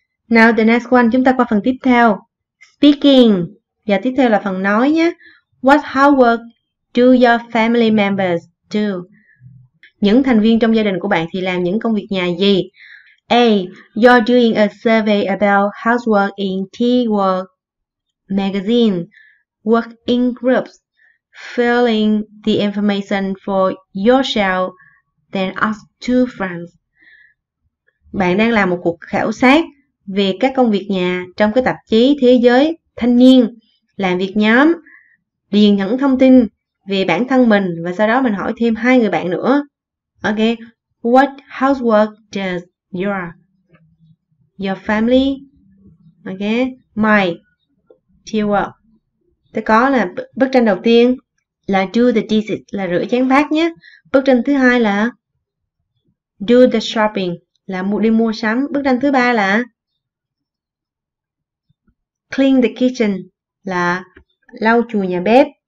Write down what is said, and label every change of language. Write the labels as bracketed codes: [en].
[en] Now the next one, [vi] chúng ta qua phần tiếp theo. Speaking. Và tiếp theo là phần nói nhé. [en] What housework do your family members do? [vi] Những thành viên trong gia đình của bạn thì làm những công việc nhà gì? [en] A. You're doing a survey about housework in Tea World magazine. Work in groups. Filling the information for yourself, then ask two friends. [vi] Bạn đang làm một cuộc khảo sát về các công việc nhà trong cái tạp chí Thế giới Thanh niên, làm việc nhóm, điền những thông tin về bản thân mình và sau đó mình hỏi thêm hai người bạn nữa. [en] Ok, what housework does your family, ok, my, tiwa. [vi] Ta có là bức tranh đầu tiên là [en] do the dishes, [vi] là rửa chén bát nhé. Bức tranh thứ hai là [en] do the shopping, [vi] là đi mua sắm. Bức tranh thứ ba là [en] clean the kitchen, [vi] là lau chùi nhà bếp.